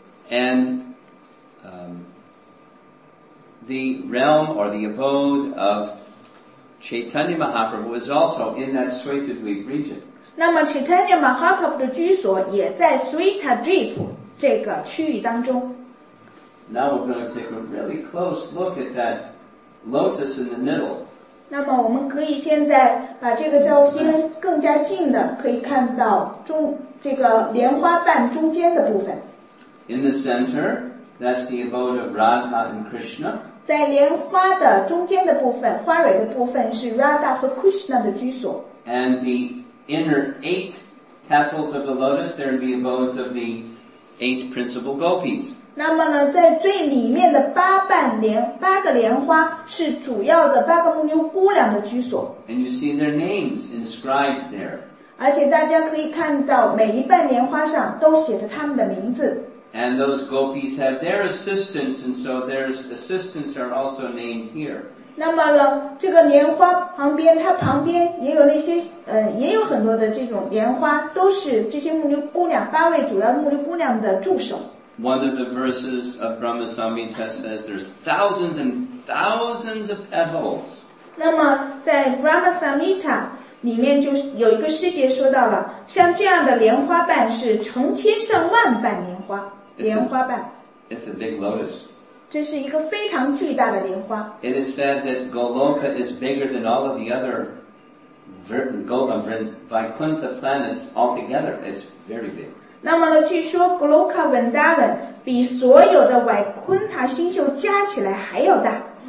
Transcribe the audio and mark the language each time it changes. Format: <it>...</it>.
<en>And the realm or the abode of Chaitanya Mahaprabhu is also in that Swetadvip region.</en> <zh>那么 Chaitanya Mahaprabhu 的居所也在 Swetadvip 这个区域当中。</zh> <en>Now we're going to take a really close look at that lotus in the middle.</en> <zh>那么我们可以现在把这个照片更加近的可以看到中这个莲花瓣中间的部分。</zh> <en>In the center,That's the abode of Radha and Krishna.</en> <zh>在莲花的中间的部分，花蕊的部分是 Radha 和 Krishna 的居所。</zh> <en>And the inner eight petals of the lotus, there are the abodes of the eight principal gopis.</en> <zh>那么呢，在最里面的八个莲花是主要的八个牧牛姑娘的居所。</zh> <en>And you see their names inscribed there.</en> <zh>而且大家可以看到，每一瓣莲花上都写着他们的名字。</zh> <en>And those gopis have their assistants, and so their assistants are also named here.</en> <zh>那么呢，这个莲花旁边，它旁边也有那些也有很多的这种莲花，都是这些牧牛姑娘八位主要牧牛姑娘的助手。</zh> <en>One of the verses of Brahma Samhita says there's thousands and thousands of petals.</en> <zh>那么在 Brahma Samhita 里面就有一个师姐说到了，像这样的莲花瓣是成千上万瓣莲花，莲花瓣。</zh> <en>It's a big lotus.</en> <zh>这是一个非常巨大的莲花。</zh> <en>It is said that Goloka is bigger than all of the other Vaikuntha planets altogether. It's very big.</en> <zh>那么呢据说 Goloka Vrindavan 比所有的维昆塔星宿加起来还要大。</zh>